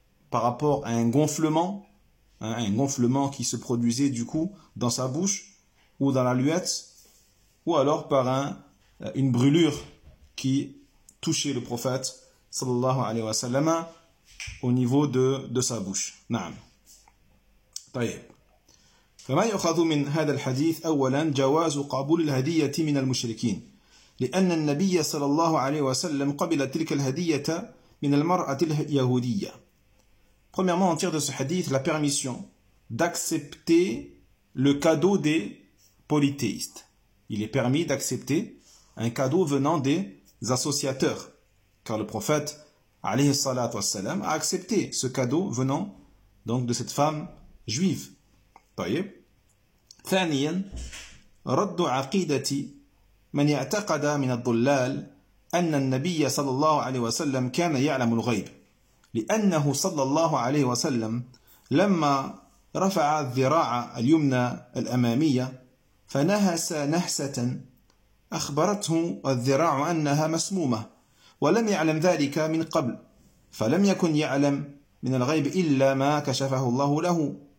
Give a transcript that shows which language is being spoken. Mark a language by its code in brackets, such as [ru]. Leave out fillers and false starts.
[fr] par rapport à un gonflement, hein, un gonflement qui se produisait du coup dans sa bouche, ou dans la luette, ou alors par une brûlure qui touchait le prophète, sallallahu alayhi wa sallam, au niveau de sa bouche. [ar] نعم. طيب. فما يؤخذ من هذا الحديث أولا جواز قبول الهدية من المشركين لأن النبي صلى الله عليه وسلم قبل تلك الهدية من المرأة اليهودية. [fr] Premièrement, on tire de ce hadith la permission d'accepter le cadeau des polythéistes. Il est permis d'accepter un cadeau venant des associateurs, car le prophète alayhi salatu wassalam, a accepté ce cadeau venant donc de cette femme juive. [ar] طيب. ثانيا رد عقيدة من يعتقد من الضلال أن النبي صلى الله عليه وسلم كان يعلم الغيب لأنه صلى الله عليه وسلم لما رفع الذراع اليمنى الأمامية فنهس نهسة أخبرته الذراع أنها مسمومة ولم يعلم ذلك من قبل فلم يكن يعلم من الغيب إلا ما كشفه الله له